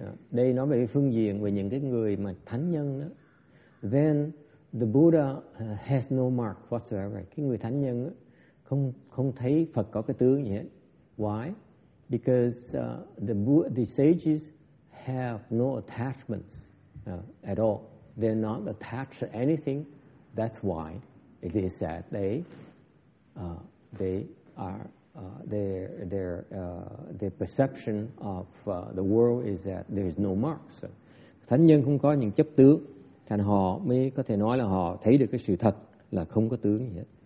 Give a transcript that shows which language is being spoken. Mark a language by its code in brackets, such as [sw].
[vi] Đây nói về cái phương diện về những cái người mà thánh nhân đó. [en] Then the Buddha has no mark whatsoever. [vi] Cái người thánh nhân không thấy Phật có cái tướng gì hết. [en] Why? Because the sages have no attachments at all. They're not attached to anything. That's why it is that their perception of the world is that there is no mark. [vi] So, thánh nhân không có những chấp tướng. Thành họ mới có thể nói là họ thấy được cái sự thật là không có tướng gì hết.